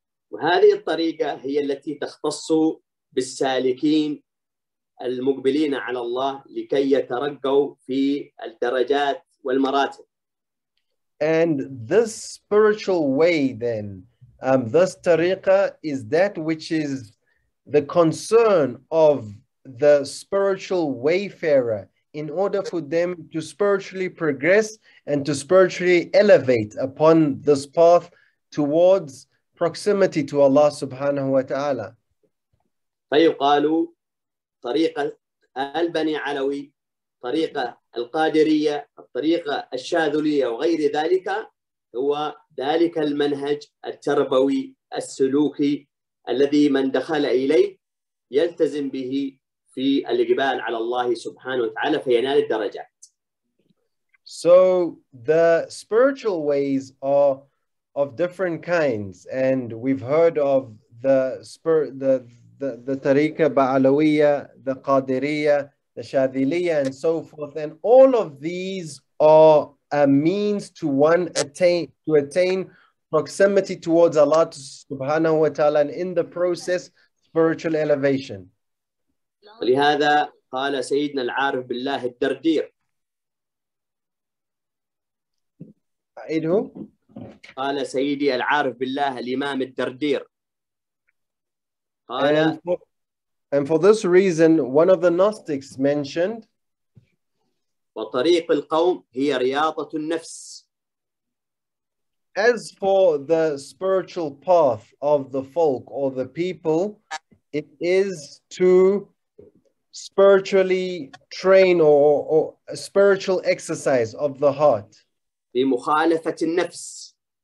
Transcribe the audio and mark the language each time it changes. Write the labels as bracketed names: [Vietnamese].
[Arabic] وهذه الطريقة هي التي تختص بالسالكين المقبلين على الله لكي يترقوا في الدرجات والمراتب. [English] And this spiritual way then, this tariqah is that which is the concern of the spiritual wayfarer in order for them to spiritually progress and to spiritually elevate upon this path towards proximity to Allah subhanahu wa ta'ala. [Arabic] فيقال طريقة البني علوي, طريقة القادرية, الطريقة الشاذلية وغير ذلك هو ذلك المنهج التربوي السلوكي الذي من دخل إليه يلتزم به في الإقبال على الله سبحانه وتعالى فينال الدرجات. [English] So the spiritual ways are of different kinds, and we've heard of the tariqah ba'alawiyya, the qadiriyya, the shadhiliyya, and so forth. And all of these are a means to one attain proximity towards Allah subhanahu wa ta'ala, and in the process, spiritual elevation. [Arabic] لهذا قال سيدنا العارف بالله الدردير. عيد هو؟ قال سيدي العارف بالله الإمام الدردير. قال [English] and for this reason, one of the Gnostics mentioned. [Arabic] وطريق القوم هي رياضة النفس. [English] As for the spiritual path of the folk or the people, it is to spiritually train or a spiritual exercise of the heart. [Arabic] بمخالفة النفس.